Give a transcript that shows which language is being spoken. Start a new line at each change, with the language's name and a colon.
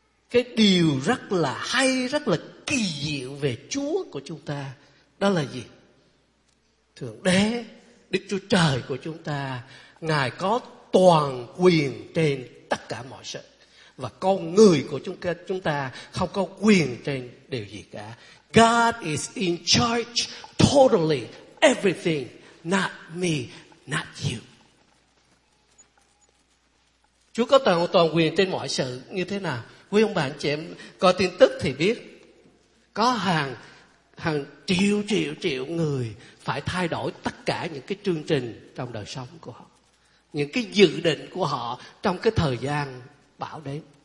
Vietnamese: Cái điều rất là hay, rất là kỳ diệu về Chúa của chúng ta đó là gì? Thượng Đế, Đức Chúa Trời của chúng ta, Ngài có toàn quyền trên tất cả mọi sự. Và con người của chúng ta không có quyền trên điều gì cả.
English: God is in charge totally everything, not me, not you.
Vietnamese: Chúa có toàn quyền trên mọi sự như thế nào? Quý ông bạn chị em coi tin tức thì biết, có hàng triệu triệu triệu người phải thay đổi tất cả những cái chương trình trong đời sống của họ, những cái dự định của họ trong cái thời gian bão đến.